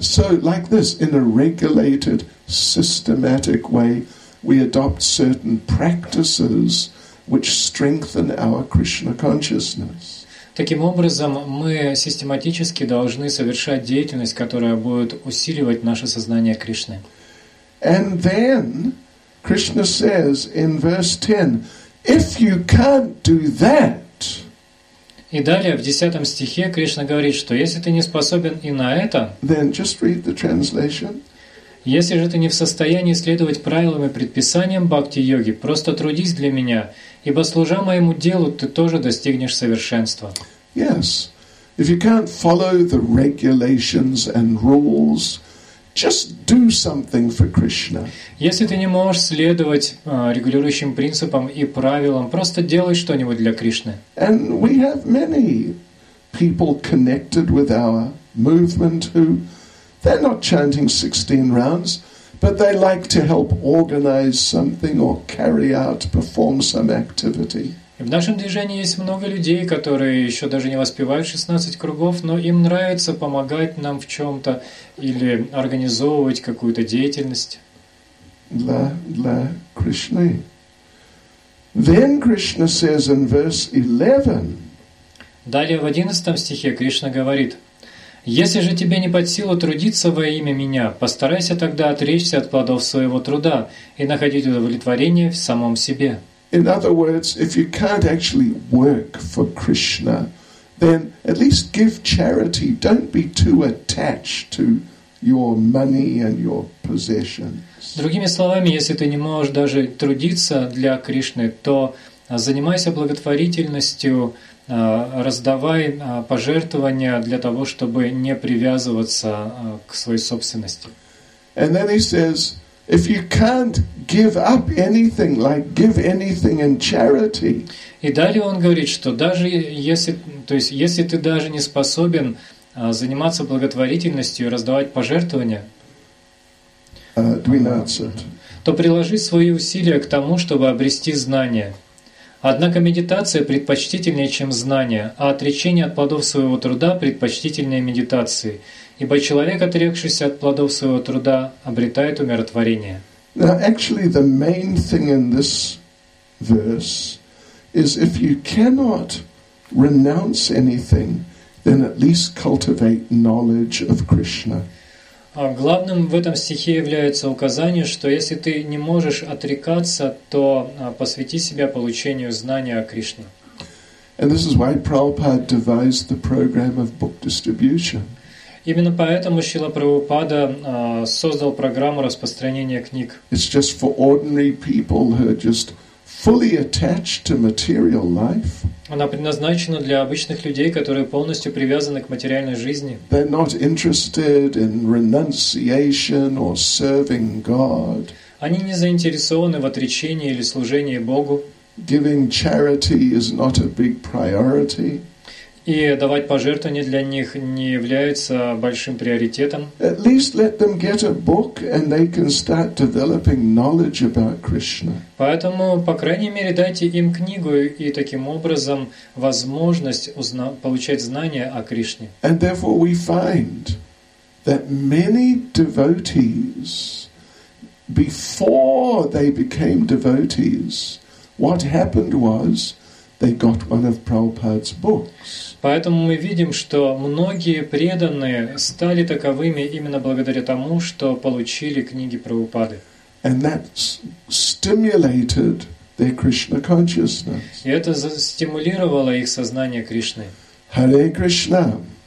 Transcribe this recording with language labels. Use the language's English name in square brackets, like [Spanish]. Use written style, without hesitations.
[English] So like this, in a regulated, systematic way, we adopt certain practices which strengthen our Krishna consciousness. [Russian] Таким образом, мы систематически должны совершать деятельность, которая будет усиливать наше сознание Кришны. [English] And then Krishna says in verse 10, if you can't do that. [Russian] И далее в 10 стихе Кришна говорит, что если ты не способен и на это, [English] then just read the translation. [Russian] Если же ты не в состоянии следовать правилам и предписаниям бхакти-йоги, просто трудись для меня, ибо служа моему делу, ты тоже достигнешь совершенства. [English] Yes. If you can't follow the regulations and rules, just do something for Krishna. [Russian] Если ты не можешь следовать регулирующим принципам и правилам, просто делай что-нибудь для Кришны. [English] And we have many people connected with our movement who they're not chanting 16 rounds, but they like to help organize something or carry out, perform some activity. [Russian] В нашем движении есть много людей, которые еще даже не воспевают 16 кругов, но им нравится помогать нам в чем-то или организовывать какую-то деятельность. Для Кришны. [English] Then Krishna says in verse 11. [Russian] Далее в 11 стихе Кришна говорит. Если же тебе не под силу трудиться во имя меня, постарайся тогда отречься от плодов своего труда и находить удовлетворение в самом себе. [English] In other words, if you can't actually work for Krishna, then at least give charity. Don't be too attached to your money and your possessions. [Russian] Другими словами, если ты не можешь даже трудиться для Кришны, то занимайся благотворительностью. Раздавай пожертвования для того, чтобы не привязываться к своей собственности. [English] And then he says, if you can't give up anything, like give anything in charity. [Russian] И далее он говорит, что даже если, то есть если ты даже не способен заниматься благотворительностью и раздавать пожертвования, [English] 12. [Russian] то приложи свои усилия к тому, чтобы обрести знание. Однако медитация предпочтительнее, чем знание, а отречение от плодов своего труда предпочтительнее медитации, ибо человек, отрекшийся от плодов своего труда, обретает умиротворение. [English] Now, actually, the main thing in this verse is if you cannot renounce anything, then at least cultivate knowledge of Krishna. [Russian] Главным в этом стихе является указание, что если ты не можешь отрекаться, то посвяти себя получению знания о Кришне. [English] And this is why Prabhupada devised the program of book distribution. [Russian] Именно поэтому Шрила Прабхупада создал программу распространения книг. [English] It's just for ordinary people who are just fully attached to material life. [Russian] Она предназначена для обычных людей, которые полностью привязаны к материальной жизни. [English] They're not interested in renunciation or serving God. [Russian] Они не заинтересованы в отречении или служении Богу. [English] Giving charity is not a big priority. [Russian] И давать пожертвования для них не является большим приоритетом. [English] At least let them get a book and they can start developing knowledge about Krishna. [Russian] Поэтому, по крайней мере, дайте им книгу и таким образом возможность получать знания о Кришне. [English] And therefore we find that many devotees, before they became devotees, what happened was they got one of Prabhupada's books. [Russian] Поэтому мы видим, что многие преданные стали таковыми именно благодаря тому, что получили книги Прабхупады. [English] And that stimulated their Krishna consciousness. [Russian] И это стимулировало их сознание Кришны. [English] Hare Krishna.